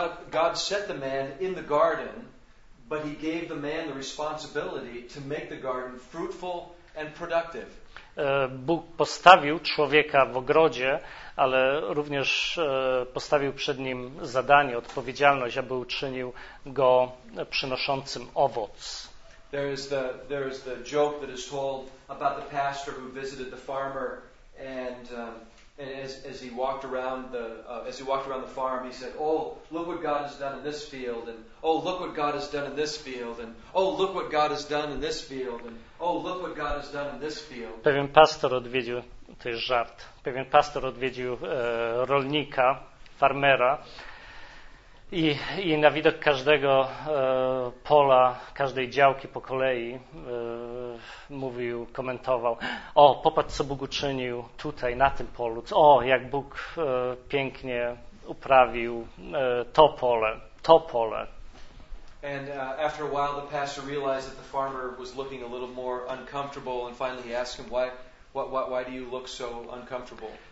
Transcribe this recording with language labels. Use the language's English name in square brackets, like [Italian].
[English] God set the man in the garden, but he gave the man the responsibility to make the garden fruitful and productive. [Polish] Bóg postawił człowieka w ogrodzie, ale również postawił przed nim zadanie, odpowiedzialność, aby uczynił go przynoszącym owoc. [English] There is the joke that is told about the pastor who visited the farmer and as he walked around the farm, he said, "Oh, look what God has done in this field, and oh, look what God has done in this field, and oh, look what God has done in this field, and oh, look what God has done in this field." [Polish] Pewien pastor odwiedził, to jest żart. Pewien pastor odwiedził rolnika, farmera, i na widok każdego pola, każdej działki po kolei mówił, komentował, o, popatrz, co Bóg uczynił tutaj, na tym polu, o, jak Bóg pięknie uprawił to pole. [English] And after a while the pastor realized that the farmer was looking a little more uncomfortable and finally he asked him, why do you look so uncomfortable?